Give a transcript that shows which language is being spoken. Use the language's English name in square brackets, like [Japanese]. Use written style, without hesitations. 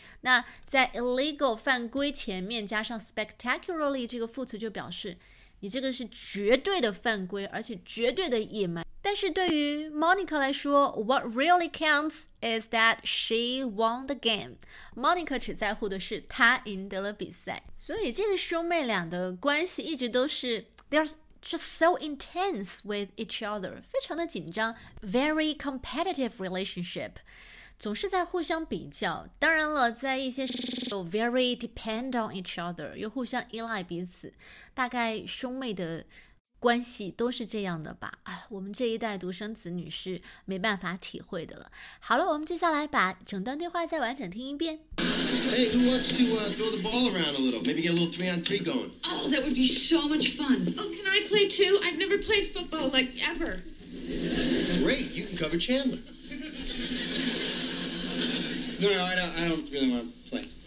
[Chinese] 那在 illegal 犯规前面加上 spectacularly 这个副词，就表示你这个是绝对的犯规，而且绝对的野蛮。但是对于 Monica 来说 [English] ,what really counts is that she won the game. [Chinese] Monica 只在乎的是她赢得了比赛。所以这个兄妹俩的关系一直都是 , [English] they're just so intense with each other, [Chinese] 非常的紧张 , [English] very competitive relationship, [Chinese] 总是在互相比较。当然了，在一些时候 , [English] very depend on each other, [Chinese] 又互相依赖彼此。大概兄妹的关系都是这样的吧，我们这一代独生子女是没办法体会的了。好了，我们接下来把整段对话再完整听一遍。 [English] Hey, who wants to throw the ball around a little? Maybe get a little 3-on-3 going. Oh, that would be so much fun. Oh, can I play too? I've never played football, like, ever. Great, you can cover Chandler. No, I don't really want to play.